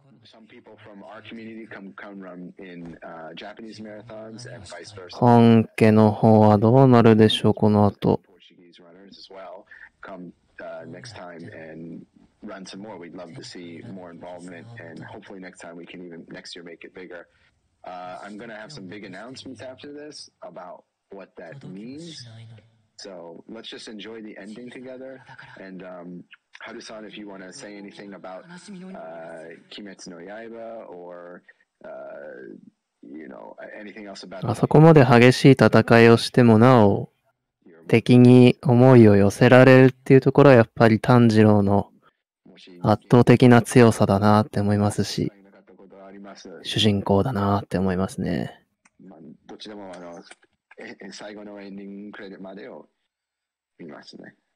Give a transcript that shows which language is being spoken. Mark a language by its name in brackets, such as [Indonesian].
[English] some people from our community come run in Japanese marathons and vice versa. [Japanese] 本家の方はどうなるでしょう、この後。 [English] Portuguese runners as well come next time and run some more. We'd love to see more involvement, and hopefully next time we can even next year make it bigger. I'm gonna have some big announcements after this about what that means. So let's just enjoy the ending together. And Haru-san, if you want to say anything about Kimetsu no Yaiba or you know anything else about, [Japanese] あそこまで激しい戦いをしてもなお敵に思いを寄せられるっていうところはやっぱり炭治郎の圧倒的な強さだなって思いますし、主人公だなって思いますね。まあ、どちらも最後のエンディングクレジットまでを見ますね。